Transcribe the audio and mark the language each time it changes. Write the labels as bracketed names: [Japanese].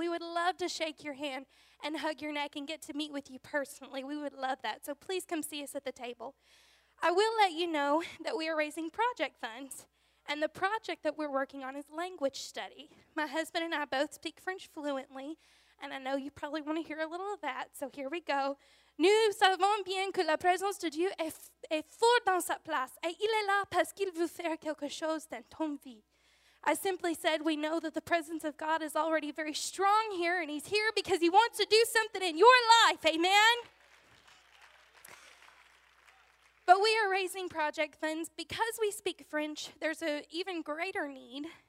[English] We would love to shake your hand and hug your neck and get to meet with you personally. We would love that. So please come see us at the table. I will let you know that we are raising project funds, and the project that we're working on is language study. My husband and I both speak French fluently, and I know you probably want to hear a little of that, so here we go. [French] Nous savons bien que la présence de Dieu est fort dans sa place, et il est là parce qu'il veut faire quelque chose dans ton vie. [English] I simply said, we know that the presence of God is already very strong here, and he's here because he wants to do something in your life, amen? But we are raising project funds. Because we speak French, there's an even greater need.